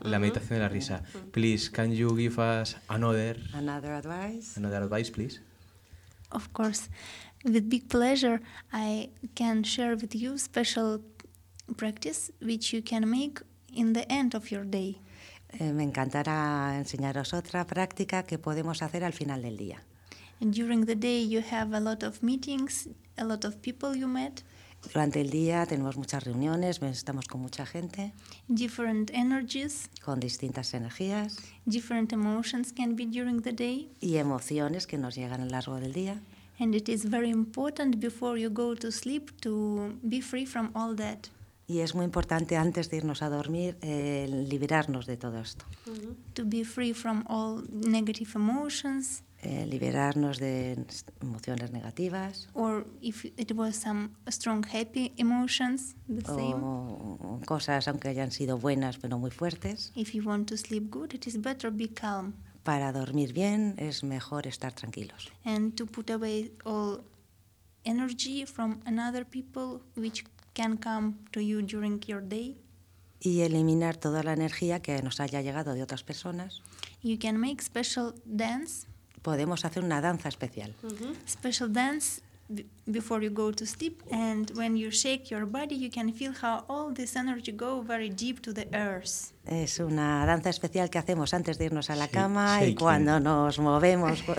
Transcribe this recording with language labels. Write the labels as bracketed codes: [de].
[es] La meditación de la risa. [en] Please, can you give us another... Another advice? Another advice, please. Of course. With big pleasure, I can share with you special practice which you can make in the end of your day. [es] Me encantará enseñaros otra práctica que podemos hacer al final del día. [en] During the day you have a lot of meetings, a lot of people you met. [es] Durante el día tenemos muchas reuniones, estamos con mucha gente. [en] Different energies. [es] Con distintas energías. [en] Different emotions can be during the day. [es] Y emociones que nos llegan a lo largo del día. [en] And it is very important before you go to sleep to be free from all that. [es] Y es muy importante antes de irnos a dormir liberarnos de todo esto. [en] Mm-hmm. To be free from all negative emotions. [es] Liberarnos de emociones negativas. [en] Or if it was some strong happy emotions, the [es] o [en] same. [es] O cosas aunque hayan sido buenas pero muy fuertes. [en] If you want to sleep good, it is better be calm. [es] Para dormir bien es mejor estar tranquilos. [en] And to put away all energy from another people, which can come to you during your day. [es] Y eliminar toda la energía que nos haya llegado de otras personas. [en] You can make special dance. [es] Podemos hacer una danza especial. Mm-hmm. [en] Special dance before you go to sleep, and when you shake your body, you can feel how all this energy go very deep to the earth. [es] Es una danza especial que hacemos antes de irnos a la cama shaking. Y cuando nos movemos.